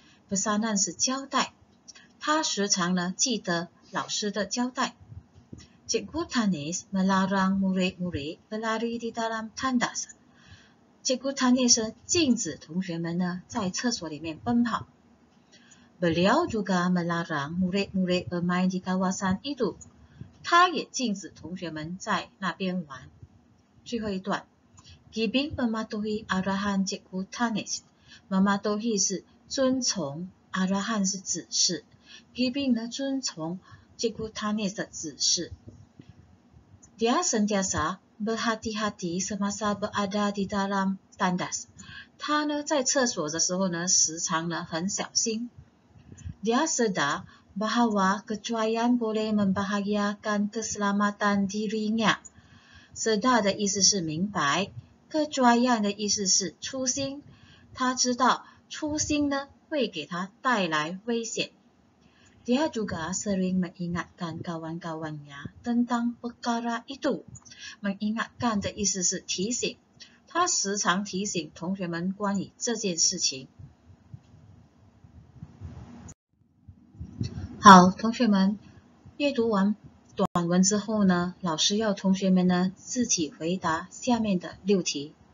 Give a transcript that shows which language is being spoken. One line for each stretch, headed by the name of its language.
Chinese: Pesanan 是交代.他时常记得老师的交代.
Malay: Cikgu Tanis melarang murid-murid berlari di dalam tandas.
Chinese: Cikgu Tanis 禁止同学们呢在厕所里面奔跑.
Malay: Beliau juga melarang murid-murid bermain di kawasan itu.
Chinese: 他也禁止同学们在那边玩. 最后一段.
Malay: Gibing mematuhi arahan Cikgu Tanis.
Chinese: Mematuhi 是遵从, arahan 是指示. Gibing 呢遵从 Cikgu Tanis 的指示.
Malay: Dia sentiasa berhati-hati semasa berada di dalam tandas.
Chinese: 他呢在厕所的时候呢时常呢很小心.
Malay: Dia sedar bahawa kecuaian boleh membahayakan keselamatan dirinya.
Chinese: Sedar 的意思是明白, kecuaian 的意思是粗心. 他知道粗心呢会给他带来危险.
Malay: Dia juga sering mengingatkan kawan-kawannya tentang perkara itu.
Chinese: Mengingatkan 的意思是提醒.他时常提醒同学们关于这件事情. 好,同学们,阅读完短文之后呢, 老师要同学们呢自己回答下面的6题.